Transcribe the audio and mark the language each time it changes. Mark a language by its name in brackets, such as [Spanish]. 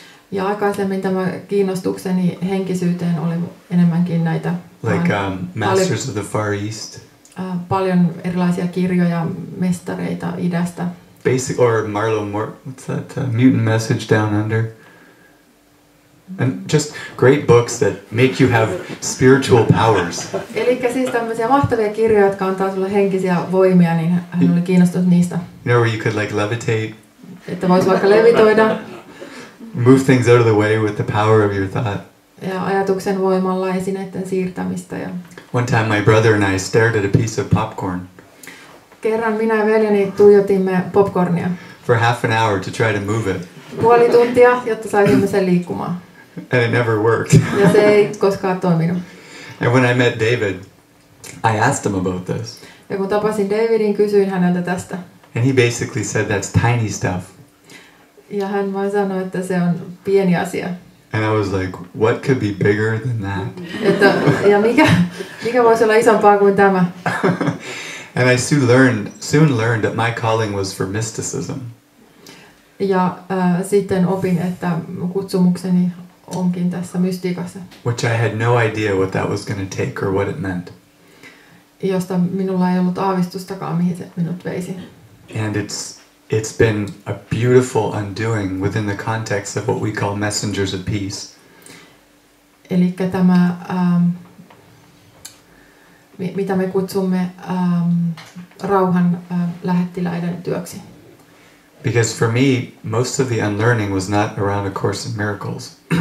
[Finnish] Ja aikaisemmin tämä kiinnostukseni henkisyyteen oli enemmänkin näitä. [English] Like Masters of the Far East. [Finnish] Paljon erilaisia kirjoja mestareita idästä. [English] Basic or Marlowe Mort, what's that? Mutant Message Down Under. And just great books that make you have spiritual powers. [Finnish] Eli siis tämmöisiä mahtavia kirjoja, jotka antaa sulle henkisiä voimia, niin hän oli kiinnostunut niistä. [English] You know, where you could like levitate. [Finnish] Että vois vaikka levitoida. [English] Move things out of the way with the power of your thought. [Finnish] Ja ajatuksen voimalla esineiden siirtämistä ja. [English] One time my brother and I stared at a piece of popcorn. [Finnish] Kerran minä ja veljeni tuijotimme popcornia. [English] For half an hour to try to move it. [Finnish] Puoli tuntia, jotta saisimme sen liikkumaan. [English] And it never worked. [Finnish] Ja se ei koskaan toiminut. [English] And when I met David, I asked him about this. [Finnish] Ja kun tapasin Davidin, kysyin häneltä tästä. [English] And he basically said that's tiny stuff. [Finnish] Ja hän vaan sanoi, että se on pieni asia. [English] And I was like, what could be bigger than that? [Finnish] Että, ja mikä voisi olla isompaa kuin tämä? [English] And I soon learned that my calling was for mysticism. [Finnish] Ja sitten opin, että kutsumukseni onkin tässä mystiikassa. [English] Which I had no idea what that was going to take or what it meant. [Finnish] Josta minulla ei ollut aavistustakaan, mihin se minut veisi. [English] And it's been a beautiful undoing within the context of what we call messengers of peace. [Finnish] Elikkä tämä mitä me kutsumme rauhan lähettiläiden työksi. [English] Because for me most of the unlearning was not around A Course in Miracles.